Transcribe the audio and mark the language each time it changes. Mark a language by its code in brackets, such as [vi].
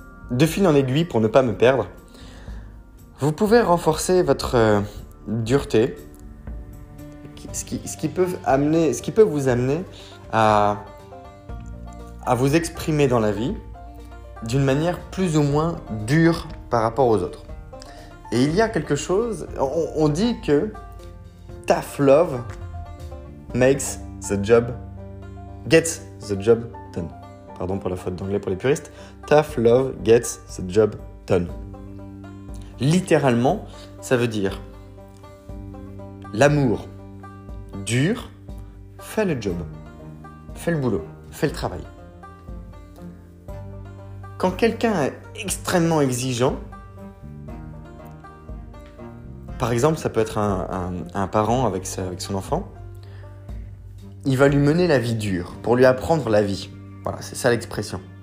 [fr] De fil en aiguille, pour ne pas me perdre, vous pouvez renforcer votre dureté, ce qui peut vous amener à vous exprimer dans la vie d'une manière plus ou moins dure par rapport aux autres. Et il y a quelque chose, on dit que [en] tough love makes the job, gets the job done. [fr] Pardon pour la faute d'anglais pour les puristes. [en] Tough love gets the job done. [fr] Littéralement, ça veut dire l'amour dur fait le job, fait le boulot, fait le travail. Quand quelqu'un est extrêmement exigeant, par exemple, ça peut être un parent avec, sa, avec son enfant, il va lui mener la vie dure pour lui apprendre la vie. Voilà, c'est ça l'expression.